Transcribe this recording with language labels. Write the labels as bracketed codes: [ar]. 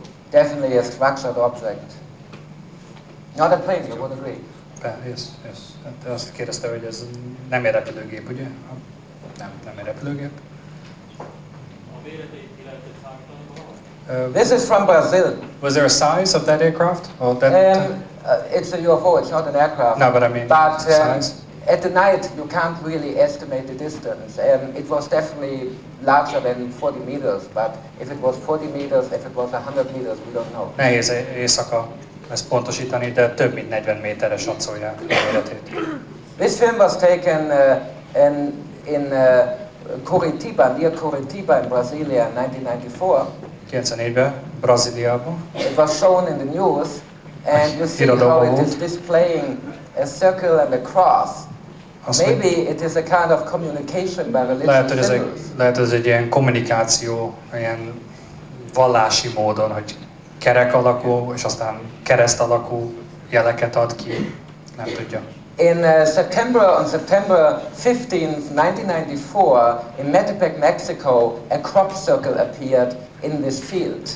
[en] Definitely a structured object. Not a plane, you would agree. Yes. [hu] De azt kérdezte, hogy ez nem egy repülőgép, ugye? Nem egy repülőgép. [en] This is from Brazil. Was there a size of that aircraft? It's a UFO, it's not an aircraft. No, but I mean but, size. At the night, you can't really estimate the distance. It was definitely larger than 40 meters, but if it was 40 meters, if it was 100 meters, we don't know. [hu] Nehéz éjszaka ezt pontosítani, de több mint 40 méteres satszolják a méretét. [en] This film was taken in Curitiba, near Curitiba in Brasilia in 1994. [hu] 94-ben, Brazíliában. [en] It was shown in the news, and you see how it is displaying a circle and a cross. [hu] Azt [en] maybe it is a kind of communication by religious [hu] lehet, hogy ez egy ilyen kommunikáció, ilyen vallási módon, hogy kerek alakú, és aztán kereszt alakú jeleket ad ki, nem tudja. [en] In September, on September 15th, 1994, in Metepec, Mexico, a crop circle appeared in this field.